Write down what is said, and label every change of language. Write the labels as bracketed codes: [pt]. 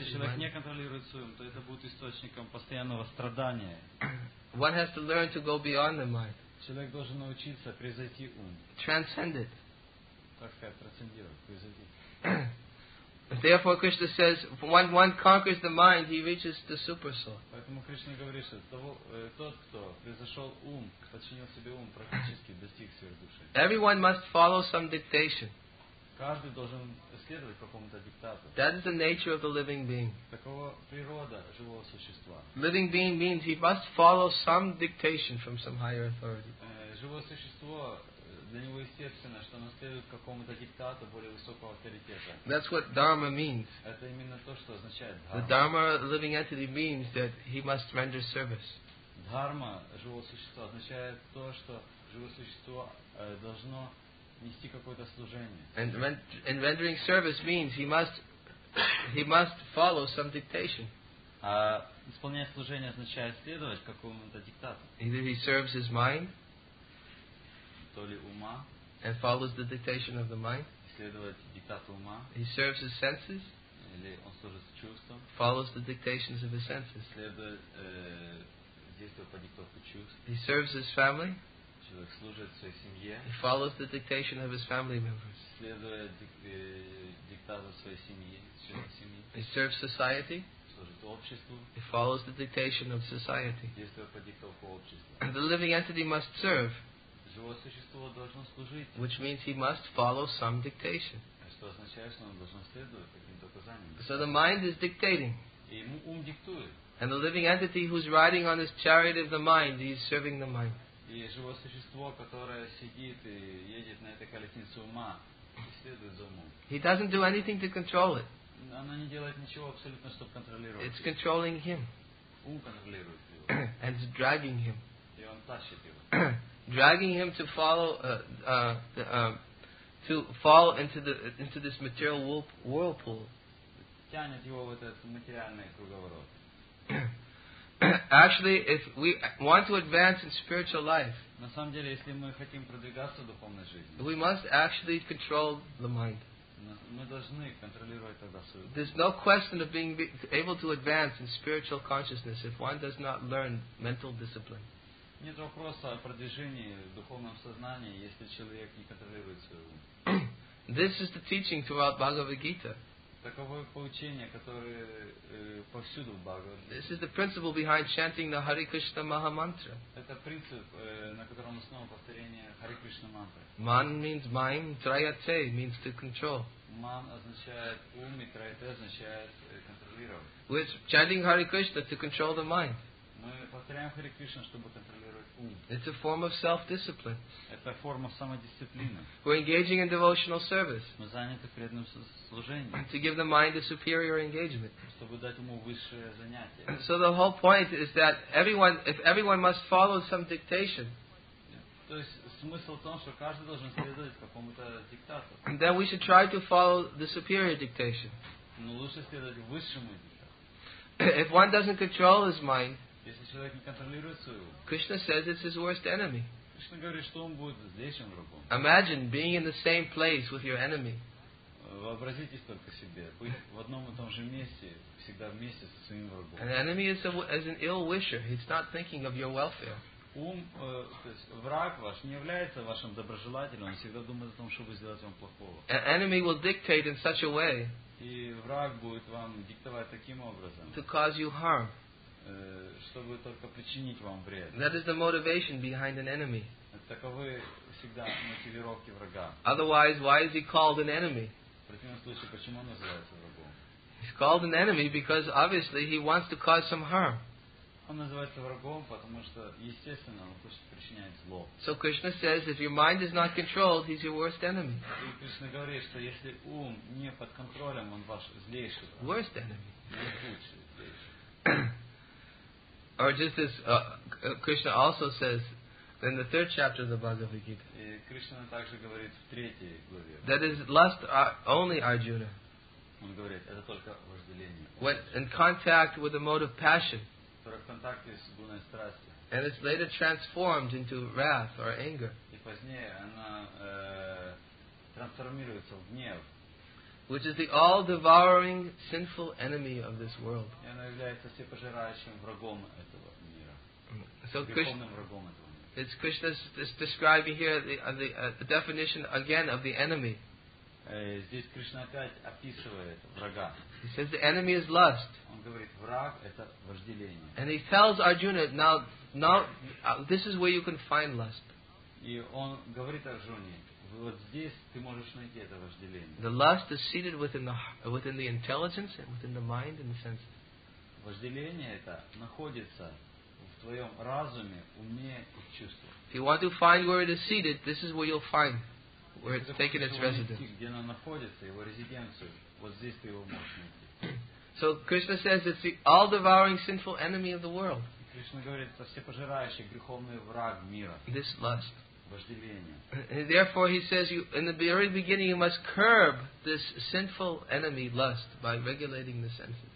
[ru] если человек не контролирует свой ум, то это будет источником постоянного страдания. [en] One has to learn to go beyond the mind. [ru] Человек должен научиться превзойти ум. [en] Transcend it. [ru] Так сказать, трансцендировать, превзойти. [en] Therefore, Krishna says, when one conquers the mind, he reaches the super soul. [ru] Поэтому Кришна говорит, что тот, кто превзошел ум, подчинил себе ум, практически достиг сверхдуши. [en] Everyone must follow some dictation. [ru] Каждый должен следовать какому-то диктату. [en] That is the nature of the living being. [ru] Такова природа живого существа. [en] Living being means he must follow some dictation from some higher authority. [ru] Живое существо, для него естественно, что оно следует какому-то диктату более высокого авторитета. [en] That's what dharma means. [ru] Это именно то, что означает dharma. [en] The dharma living entity means that he must render service. [ru] Дхарма живого существа означает то, что живое существо должно нести какое-то служение. [en] And rendering service means he must follow some dictation. [ru] А исполнять служение означает следовать какому-то диктату. [en] Either he serves his mind, [ru] то ли ума, [en] and follows the dictation of the mind. [ru] Следовать диктату ума. [en] He serves his senses, [ru] или он служит чувствам. [en] Follows the dictations of his senses. [ru] Следует действовать по диктату чувств. [en] He serves his family. [ru] Человек служит своей семье. [en] He follows the dictation of his family members. [ru] Следует диктату своей семьи, членов семьи. [en] He serves society. [ru] Служит обществу. [en] He follows the dictation of society. [ru] Действует по диктату общества. [en] And the living entity must serve. [ru] Живое существо должно служить. [en] Which means he must follow some dictation. [ru] Что означает, что он должен следовать каким-то указаниям. [en] So the mind is dictating. [ru] И ум диктует. [en] And the living entity who's riding on this chariot of the mind, he's serving the mind. [ru] И живое существо, которое сидит и едет на этой колеснице ума, следует за умом. [en] He doesn't do anything to control it. [ru] Оно не делает ничего абсолютно, чтобы контролировать. [en] It's controlling him. [ru] Ум контролирует его. [en] And it's dragging him. [ru] И он тащит его. [en] Dragging him to fall into this material whirlpool. [ru] Тянет его в этот материальный круговорот. [en] Actually, if we want to advance in spiritual life, [ru] на самом деле, если мы хотим продвигаться в духовной жизни, [en] we must actually control the mind. [ru] Мы должны контролировать тогда свою душу. [en] There's no question of being able to advance in spiritual consciousness if one does not learn mental discipline. [ru] Нет вопроса о продвижении в духовном сознании, если человек не контролирует свой ум. [en] This is the teaching throughout Bhagavad Gita. [ru] Таково поучение, которое повсюду в Бхагавад. [en] This is the principle behind chanting the Hare Krishna Maha Mantra. [ru] Это принцип, на котором основано повторение Hare Krishna Mantra. [en] Man means mind, trayate means to control. [ru] Man означает ум, и trayate означает контролировать. [en] With chanting Hare Krishna to control the mind. [ru] Мы повторяем Харе Кришна, чтобы контролировать ум. [en] It's a form of self-discipline. [ru] Это форма самодисциплины. [en] We're engaging in devotional service. [ru] Мы заняты преданным служением. [en] To give the mind a superior engagement. [ru] Чтобы дать уму высшее занятие. [en] So the whole point is that everyone, if everyone must follow some dictation, [ru] то есть смысл в том, что каждый должен следовать какому-то диктату. [en] Then we should try to follow the superior dictation. [ru] Но лучше следовать высшему диктату. [en] If one doesn't control his mind, [ru] если человек не контролирует свою, [en] Krishna says it's his worst enemy. [ru] Кришна говорит, что он будет злейшим врагом. [en] Imagine being in the same place with your enemy. [ru] Вообразите только себе, быть в одном и том же месте, всегда вместе со своим врагом. [en] An enemy is an ill wisher. He's not thinking of your welfare. [ru] Ум, то есть враг ваш не является вашим доброжелателем, он всегда думает о том, чтобы сделать вам плохого. [en] An enemy will dictate in such a way. [ru] И враг будет вам диктовать таким образом. [en] To cause you harm. [ru] Чтобы только причинить вам вред. [en] That is the motivation behind an enemy. [ru] Таковы всегда мотивировки врага. [en] Otherwise, why is he called an enemy? [ru] В противном случае, почему он называется врагом? [en] He's called an enemy because obviously he wants to cause some harm. [ru] Он называется врагом, потому что естественно он хочет причинять зло. [en] So Krishna says, if your mind is not controlled, he's your worst enemy. [ru] И Кришна говорит, что если ум не под контролем, он ваш злейший враг. [en] Worst enemy. Or just as Krishna also says in the third chapter of the Bhagavad Gita. [ru] И Кришна также говорит в третьей главе. [en] That is lust only, Arjuna. [ru] Он говорит, это только вожделение. [en] When in contact with the mode of passion. [ru] В контакте с гуной страсти. [en] And it's later transformed into wrath or anger. [ru] И позднее она трансформируется в гнев. [en] Which is the all-devouring sinful enemy of this world. [ru] И она является всепожирающим врагом этого мира. [en] So Krishna is describing here the definition again of the enemy. [ru] Здесь Кришна опять описывает врага. [en] He says the enemy is lust. [ru] Он говорит, враг это вожделение. [en] And he tells Arjuna, now this is where you can find lust. [ru] И он говорит Арджуне, вот здесь ты можешь найти это вожделение. [en] The lust is seated within the intelligence and within the mind and the senses. [ru] Вожделение это находится в твоем разуме, уме и чувствах. [en] If you want to find where it is seated, this is where you'll find where it's taken its residence. [ru] Где оно находится, его резиденцию, вот здесь ты его можешь найти. [en] So Krishna says it's the all-devouring sinful enemy of the world. [ru] Кришна говорит, это всепожирающий греховный враг мира. [en] This lust. [ru] Вожделение. [en] And therefore, he says, you, in the very beginning, you must curb this sinful enemy, lust, by regulating the senses.